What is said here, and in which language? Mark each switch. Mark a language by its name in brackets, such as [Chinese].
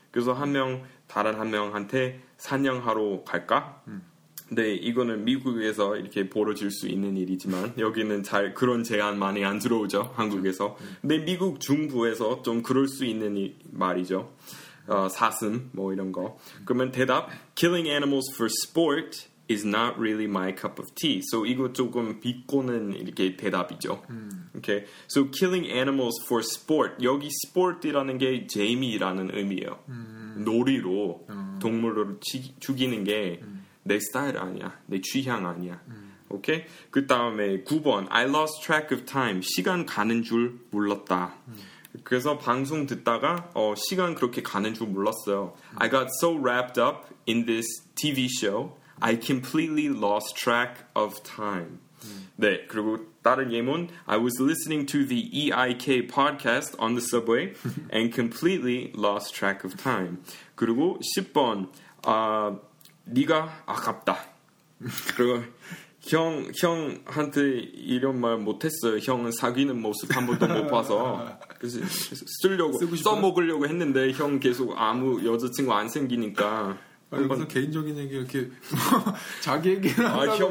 [Korean] 그래서 한 명, 다른 한 명한테 사냥하러 갈까? 근데 이거는 미국에서 이렇게 벌어질 수 있는 일이지만 여기는 잘 그런 제안 많이 안 들어오죠. 한국에서. 근데 미국 중부에서 좀 그럴 수 있는 말이죠. 사슴 뭐 이런 거. 그러면 대답 [English] killing animals for sport is not really my cup of tea. [Korean] So 이거 조금 비꼬는 이렇게 대답이죠. [English] Okay. So killing animals for sport. [Korean] 여기 sport이라는 게 재미라는 의미예요. 놀이로 동물을 죽이는 게 내 스타일 아니야. 내 취향 아니야. Okay. 그 다음에 9번. [English] I lost track of time. [Korean] 시간 가는 줄 몰랐다. 그래서 방송 듣다가 시간 그렇게 가는 줄 몰랐어요. [English] I got so wrapped up in this TV show. I completely lost track of time. [Korean] 네, 그리고 다른 예문. [English] I was listening to the EiK podcast on the subway and completely lost track of time. [Korean] 그리고 10번. 네가 아깝다. 그리고 형한테 이런 말 못했어요. 형은 사귀는 모습 한 번도 못 봐서. 그래서 쓰려고, 써먹으려고 했는데 형 계속 아무 여자친구 안 생기니까. 여기서 개인적인 얘기 이렇게 자기 얘기를 한다고